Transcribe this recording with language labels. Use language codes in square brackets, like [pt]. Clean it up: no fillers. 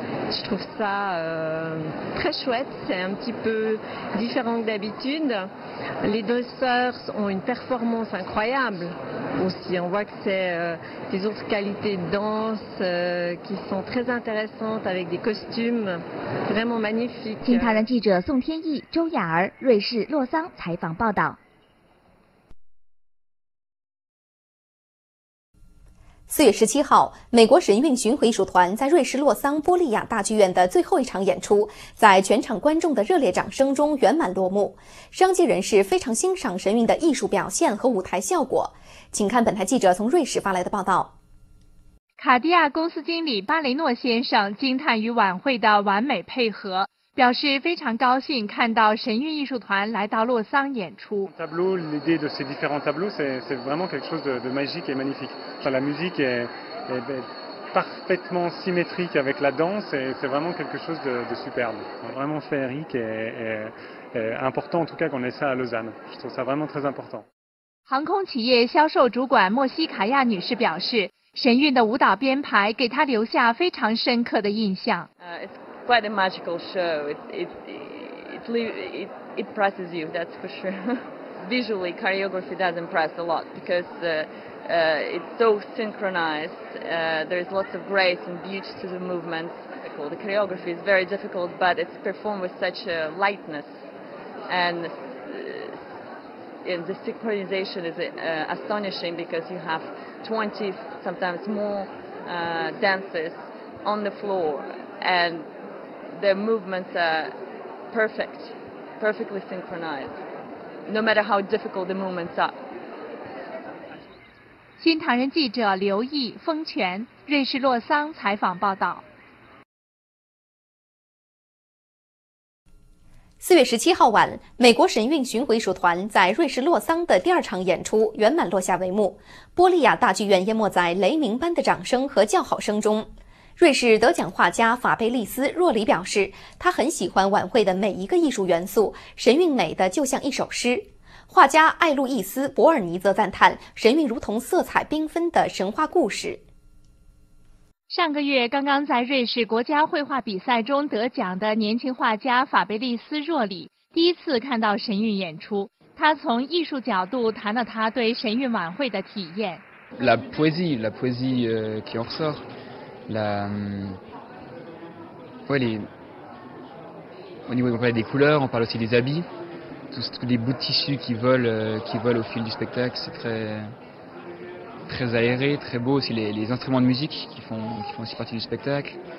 [fr] Je trouve ça très chouette, c'est un petit peu différent que d'habitude. Les deux sœurs ont une performance incroyable aussi. On voit que c'est des autres qualités de danse qui sont très intéressantes avec des costumes vraiment magnifiques. [zh] 新唐人记者宋天义、周雅儿，瑞士洛桑采访报道。 4月17号，美国神韵巡回艺术团在瑞士洛桑波利亚大剧院的最后一场演出，在全场观众的热烈掌声中圆满落幕。商界人士非常欣赏神韵的艺术表现和舞台效果。请看本台记者从瑞士发来的报道。卡地亚公司经理巴雷诺先生惊叹与晚会的完美配合，表示非常高兴看到神韵艺术团来到洛桑演出。 [fr] Tableau, l'idée de ces différents tableaux, c'est vraiment quelque chose de magique et magnifique. Enfin, la musique est parfaitement symétrique avec la danse, et c'est vraiment quelque chose de superbe. Vraiment féerique et important, en tout cas, qu'on ait ça à Lausanne. Je trouve ça vraiment très important. [zh] 航空企业销售主管莫西卡亚女士表示，神韵的舞蹈编排给她留下非常深刻的印象。 [en] Quite a magical show. It impresses you, that's for sure. Visually, choreography does impress a lot because it's so synchronized. There's lots of grace and beauty to the movements. The choreography is very difficult, but it's performed with such a lightness. And the synchronization is astonishing because you have 20, sometimes more dances on the floor. And their movements are perfect, perfectly synchronized, no matter how difficult the movements are. [zh] 新唐人记者刘毅、风泉，瑞士洛桑采访报道。 4月17号晚，美国神韵巡回艺术团在瑞士洛桑的第二场演出圆满落下帷幕，波利亚大剧院淹没在雷鸣般的掌声和叫好声中。瑞士得奖画家法贝利斯·若里表示，他很喜欢晚会的每一个艺术元素，神韵美的就像一首诗。画家艾路易斯·博尔尼则赞叹，神韵如同色彩缤纷的神话故事。上个月刚刚在瑞士国家绘画比赛中得奖的年轻画家法贝利斯·若里第一次看到神韵演出，他从艺术角度谈了他对神韵晚会的体验。 [fr] La poésie qui en ressort, la, ouais, les, au niveau, on parle des couleurs, on parle aussi des habits, tous les bouts de tissu qui volent au fil du spectacle, c'est très, très aéré, très beau aussi les instruments de musique qui font aussi partie du spectacle.